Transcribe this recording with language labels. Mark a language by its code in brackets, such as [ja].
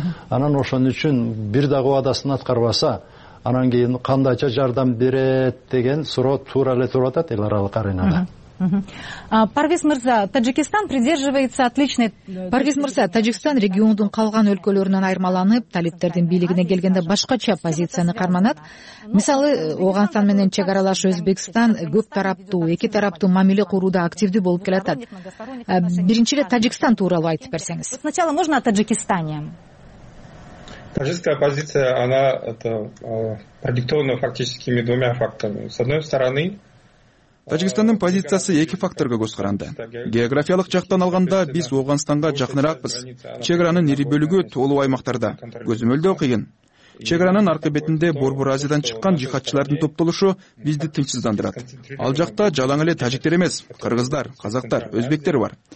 [ky] Анан ошон үчүн бир дагы убадасын аткарбаса анан кийин кандайча жардам берет деген суроо туура эле туруп атат эл аралык аренада. [ru] Парвиз мырза, Таджикистан придерживается отличной... [ky] Парвиз мырза, Таджикистан региондун калган өлкөлөрүнөн айырмаланып, талиптердин бийлигине келгенде башкача позицияны карманат. Мисалы, Ооганстан менен чек аралаш Өзбекстан көп тараптуу, эки тараптуу мамиле курууда активдүү болуп келатат. Биринчи эле Таджикистан тууралуу айтып берсеңиз. [ru] Сначала можно о Таджикистане. Таджикская позиция, она продиктована фактическими двумя факторами. С одной стороны, [ky] Таджикистандын позициясы эки факторго көз каранды. Географиялык жактан алганда биз Ооганстанга жакыныраакбыз. Чек аранын ири бөлүгү тоолуу аймактарда, көзөмөлдөө кыйын. Чек аранын аркы бетинде Борбор Азиядан чыккан жихатчылардын топтолушу бизди тынчсыздандырат. Ал жакта жалаң эле тажиктер эмес, кыргыздар, казактар, өзбектер бар.